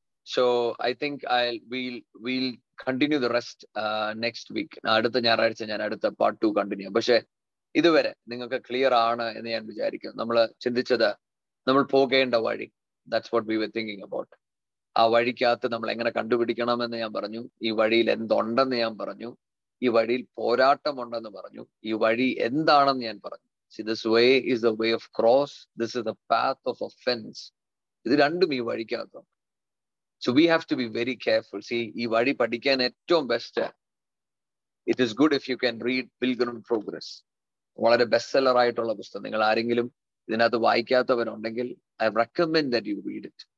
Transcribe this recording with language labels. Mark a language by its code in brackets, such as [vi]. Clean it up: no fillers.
[en] So I think we'll continue the rest next week. [ml] അടുത്ത ഞായറാഴ്ച ഞാൻ അടുത്ത പാർട്ട് 2 കണ്ടിന്യൂ. പക്ഷേ ഇതുവരെ നിങ്ങൾക്ക് ക്ലിയർ ആണ് എന്ന് ഞാൻ വിചാരിക്കുന്നു. നമ്മൾ ചിന്തിച്ചത് നമ്മൾ പോകേണ്ട വഴി, [en] That's what we were thinking about. [ml] ആ വഴിക്കകത്ത് നമ്മൾ എങ്ങനെ കണ്ടുപിടിക്കണം എന്ന് ഞാൻ പറഞ്ഞു. ഈ വഴിയിൽ എന്തുണ്ടെന്ന് ഞാൻ പറഞ്ഞു. ഈ വഴിയിൽ പോരാട്ടമുണ്ടെന്ന് പറഞ്ഞു. ഈ വഴി എന്താണെന്ന് ഞാൻ പറഞ്ഞു. [en] See, this way is the way of cross. This is the path of offense. [ml] ഇത് രണ്ടും ഈ വഴിക്കകത്തും. [en] So we have to be very careful. See, [ml] ഈ വഴി പഠിക്കാൻ ഏറ്റവും best, [en] it is good if you can read Pilgrim Progress. [ml] വളരെ best seller ആയിട്ടുള്ള പുസ്തകം. നിങ്ങൾ ആരെങ്കിലും ഇതിനകത്ത് വായിക്കാത്തവരുണ്ടെങ്കിൽ [en] I recommend that you read it.